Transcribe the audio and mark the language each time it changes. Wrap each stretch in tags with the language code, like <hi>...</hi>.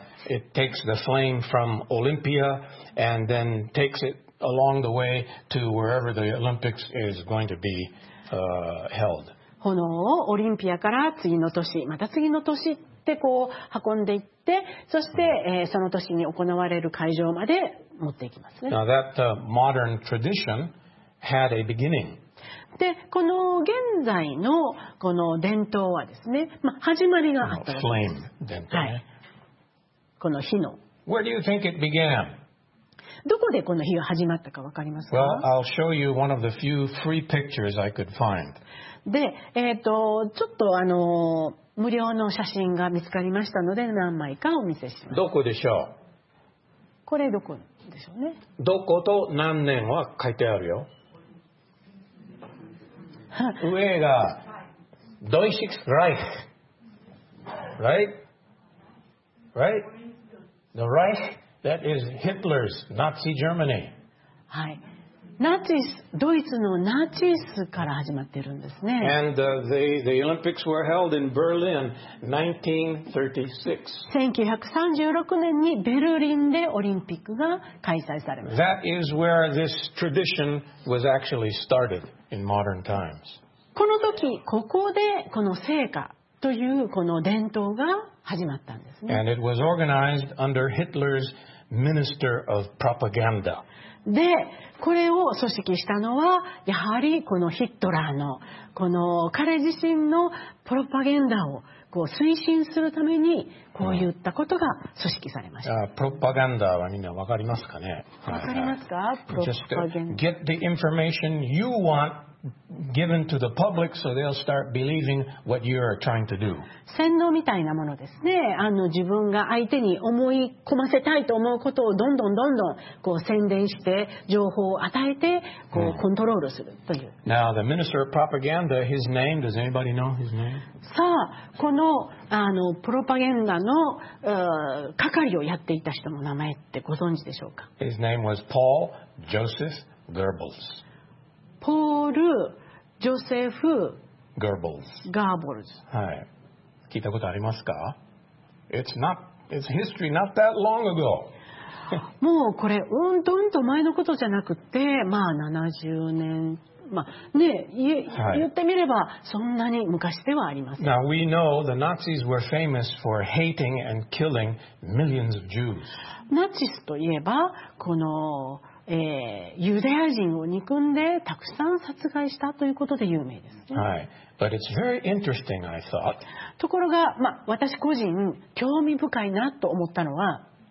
<en>It takes the flame from Olympia and then takes it along the way to wherever the Olympics is going to be held.</en> <ja>炎をオリンピアから次の都市、また次の都市ってこう運んでいって、そして、その年に行われる会場まで持っていきますね。</ja> <en>Now that modern tradition had a beginning.</en> <ja>でこの現在のこの伝統はですね、まあ、始まりがあったわけです。 Flame 伝統、ね、はい、この火の。</ja> <en>Where do you think it began?</en> <ja>どこでこの日が始まったか分かりますか？</ja> <en>Well, I'll show you one of the few free pictures I could find.</en> <ja>で、ちょっと無料の写真が見つかりましたので何枚かお見せします。どこでしょう？これどこでしょうね。どこと何年は書いてあるよ。上がドイシクスライフ。</ja> <en>Right? Right? The Reich? That is Hitler's Nazi Germany.</en> <ja>はい、ナチス、ドイツのナチスから始まってるんですね。</ja> <en>And the Olympics were held in Berlin 1936.</en> <ja>1936年にベルリンでオリンピックが開催されました。</ja> <en>That is where this tradition was actually started in modern times.</en> <ja>この時、ここでこの聖火というこの伝統が始まったんですね。</ja> <en>And it was organized under Hitler's Minister of Propaganda.</en> <ja>で、これを組織したのはやはりこのヒトラーのこの彼自身のプロパガンダをこう推進するためにこういったことが組織されました。プロパガンダはみんなわかりますかね？わかりますか？プロパガンダ。</ja> <en>Just get the information you want. Given to the public, so they'll start believing what you are trying to do.</en> <ja>洗脳みたいなものですね。自分が相手に思い込ませたいと思うことをどんどんどんどんこう宣伝して情報を与えてこうコントロールするという。</ja> <en>Now the minister of propaganda, his name, does anybody know his name?</en> <ja>さあ、このプロパガンダの係をやっていた人の名前ってご存知でしょうか？</ja> <en>His name was Paul Joseph Goebbels.</en> <ja>ポール・ジョセフ・ ガーボルズ。ガーボルズ。はい。聞いたことありますか？</ja> <en>It's not, it's history not that long ago.</en> <ja>もうこれ、うんとうんと前のことじゃなくて、まあ70年、まあね、言ってみればそんなに昔ではありません。</ja> <en>Now we know the Nazis were famous for hating and killing millions of Jews.</en> <ja>ナチスといえば、この、ユダヤ人を憎んでたくさん殺害したということで有名ですね。</ja> <en>はい。But it's very interesting, I thought.</en> <ja>ところが、まあ、私個人興味深いなと思ったのは、</ja>